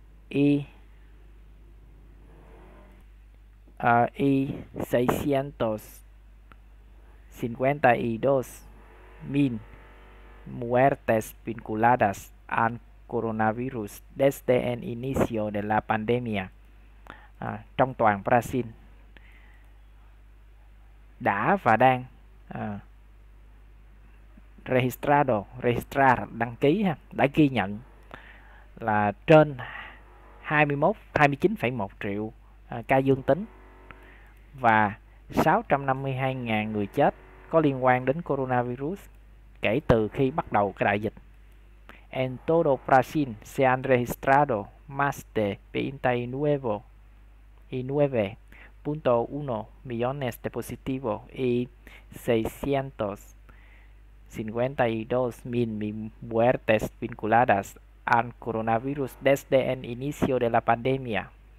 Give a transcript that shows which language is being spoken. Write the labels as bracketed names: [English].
[Spanish] Y 652.000 muertes vinculadas al coronavirus desde el inicio de la pandemia. [Vietnamese] Trong toàn Brazil đã và đang [Spanish] registrar, [Vietnamese] đăng ký ha, đã ghi nhận là trên 29,1 triệu ca dương tính và 652.000 người chết có liên quan đến coronavirus kể từ khi bắt đầu cái đại dịch. [Spanish] En todo Brasil se han registrado más de 29.1 millones de positivos y 652.000 muertes vinculadas al coronavirus desde el inicio de la pandemia.